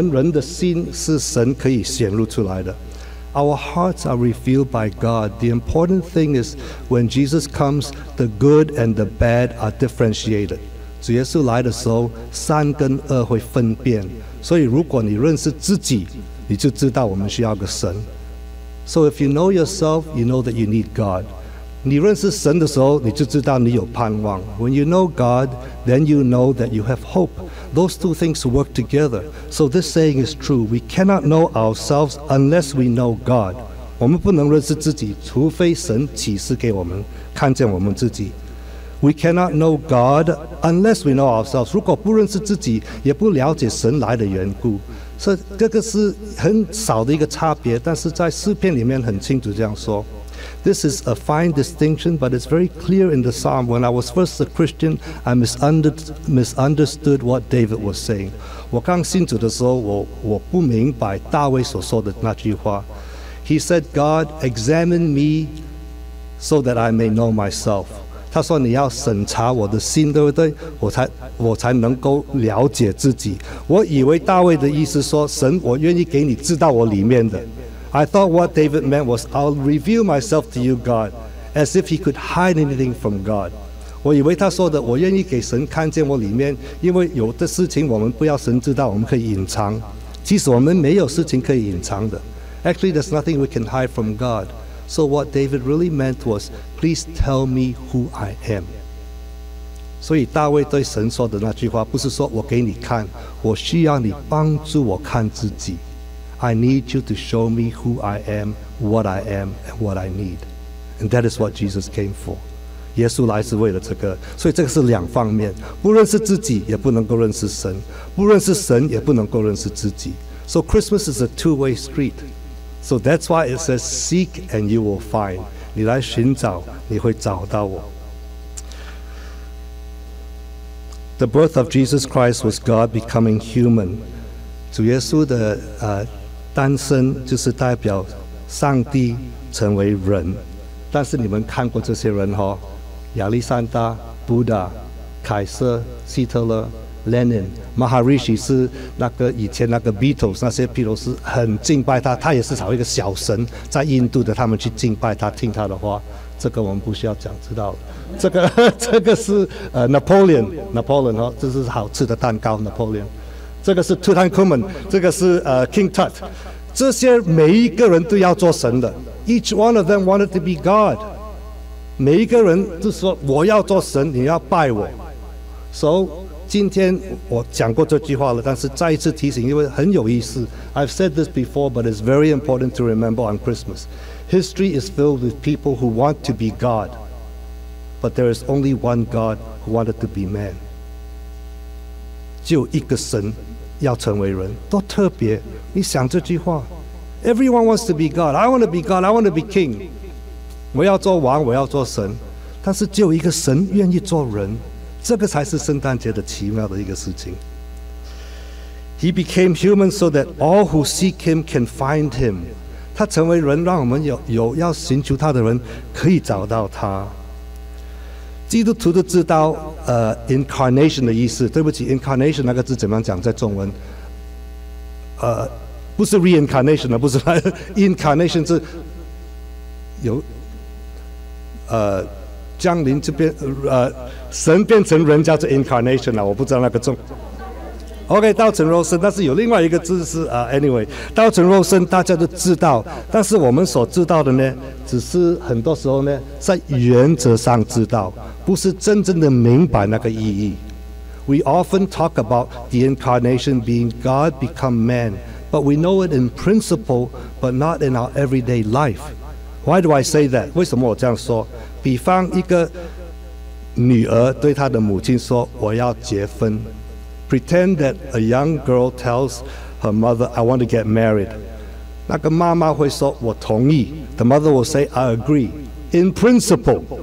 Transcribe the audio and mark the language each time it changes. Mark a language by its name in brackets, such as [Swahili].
[Chinese] 主耶稣基督来呢，会很多人会兴起，很多人会下拜，会跌倒，因为这个是神的计划，因为我们人的心是神可以显露出来的。 [English] Our hearts are revealed by God. The important thing is when Jesus comes, the good and the bad are differentiated. [Chinese] 主耶稣来的时候，善跟恶会分辨。所以如果你认识自己，你就知道我们需要个神。 [English] So if you know yourself, you know that you need God. [Chinese] 你认识神的时候，你就知道你有盼望。 [English] When you know God, then you know that you have hope. Those two things work together. So this saying is true. We cannot know ourselves unless we know God. [Chinese] 我们不能认识自己，除非神启示给我们，看见我们自己。 [English] We cannot know God unless we know ourselves. [Chinese] 如果不认识自己，也不了解神来的缘故。所以这个是很少的一个差别，但是在诗篇里面很清楚这样说。 [English] This is a fine distinction, but it's very clear in the psalm. When I was first a Christian, I misunderstood what David was saying. [Chinese] 我刚信主的时候，我不明白大卫所说的那句话。 [English] He said, God, examine me so that I may know myself. [Chinese] 他说你要审查我的心，对不对？我才能够了解自己。我以为大卫的意思说，神，我愿意给你知道我里面的。 [English] I thought what David meant was, I'll reveal myself to you, God, as if he could hide anything from God. [Chinese] 我以为他说的，我愿意给神看见我里面，因为有的事情我们不要神知道，我们可以隐藏。其实我们没有事情可以隐藏的。 [English] Actually, there's nothing we can hide from God. So what David really meant was, please tell me who I am. [Chinese] 所以大卫对神说的那句话，不是说我给你看，我需要你帮助我看自己。 [English] I need you to show me who I am, and what I need. And that is what Jesus came for. [Chinese] 耶稣来是为了这个，所以这个是两方面，不认识自己也不能够认识神，不认识神也不能够认识自己。 [English] So Christmas is a two-way street. So that's why it says, seek and you will find. [Chinese] 你来寻找，你会找到我。 [English] The birth of Jesus Christ was God becoming human. [Chinese] 主耶稣的单身就是代表上帝成为人，但是你们看过这些人哈、哦，亚历山大、布达、凯瑟、希特勒、Lenin、Maharishi 是那个以前那个 Beatles 那些披头士很敬拜他，他也是找一个小神在印度的，他们去敬拜他，听他的话，这个我们不需要讲，知道了。这个是Napoleon 哈、哦，这是好吃的蛋糕 Napoleon。这个是 Tutankhamun， 这个是King Tut， 这些每一个人都要做神的。 [English] Each one of them wanted to be God。 [Chinese] 每一个人都说我要做神，你要拜我。So， 今天我讲过这句话了，但是再一次提醒，因为很有意思。 [English] I've said this before, but it's very important to remember on Christmas. History is filled with people who want to be God, but there is only one God who wanted to be man. [Chinese] 就一个神要成为人，多特别！你想这句话 [English] ，Everyone wants to be God. I want to be God. I want to be King. [Chinese] 我要做王，我要做神。但是只有一个神愿意做人，这个才是圣诞节的奇妙的一个事情。 [English] He became human so that all who seek him can find him. [Chinese] 他成为人，让我们有要寻求他的人可以找到他。基督徒都知道incarnation 的意思，对不起 incarnation 那个字怎么样讲在中文不是 reincarnation 不是incarnation 是有降临这边神变成人叫做 incarnation 我不知道那个中 OK 道成肉身，但是有另外一个字是anyway 道成肉身大家都知道，但是我们所知道的呢只是很多时候呢在原则上知道，不是真正的明白那个意义。 [English] We often talk about the incarnation being God become man, but we know it in principle, but not in our everyday life. Why do I say that? [Chinese] 为什么我这样说？比方一个女儿对她的母亲说，我要结婚。 [English] Pretend that a young girl tells her mother, I want to get married. [Chinese] 那个妈妈会说，我同意。 [English] The mother will say, I agree. In principle.